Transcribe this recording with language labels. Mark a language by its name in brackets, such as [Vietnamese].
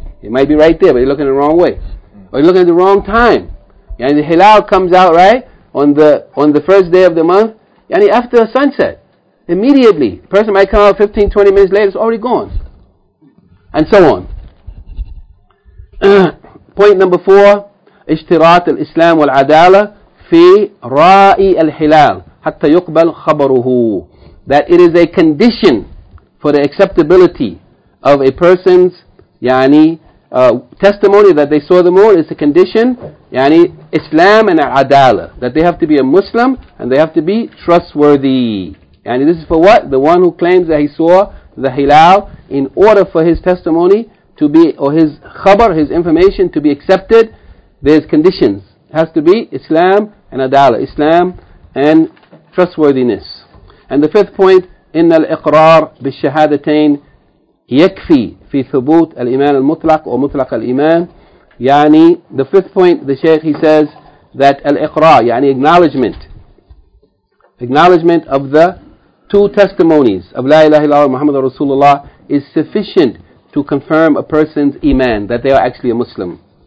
[English] It might be right there, but they're looking the wrong way. Or they're looking at the wrong time. [Arabic] Yani [English] the hilal comes out, right, on the first day of the month, yani after the sunset. Immediately. The person might come out 15, 20 minutes later, it's already gone. And so on. Point number four. [Arabic] اشتراط الإسلام والعدالة في رأي الحلال حتى يقبل خبره. [English] That it is a condition for the acceptability of a person's [Arabic] يعني [English] testimony that they saw the moon. It's a condition, [Arabic] يعني [English] Islam and العدالة, that they have to be a Muslim and they have to be trustworthy. يعني this is for what? The one who claims that he saw the hilal, in order for his testimony to be, or his khabar, his information to be accepted, there's conditions. It has to be Islam and adala, Islam and trustworthiness. And the fifth point, [Arabic] إِنَّ الْإِقْرَارِ بِالشَّهَادَتَيْنِ يَكْفِي فِي ثُبُوتْ الْإِيمَانِ الْمُطْلَقِ وَمُطْلَقَ الْإِيمَانِ. يعني [English] the fifth point, the Shaykh, he says that al-iqrar, يعني acknowledgement of the two testimonies of La ilaha illallah Muhammad Rasulullah is sufficient to confirm a person's iman, that they are actually a Muslim.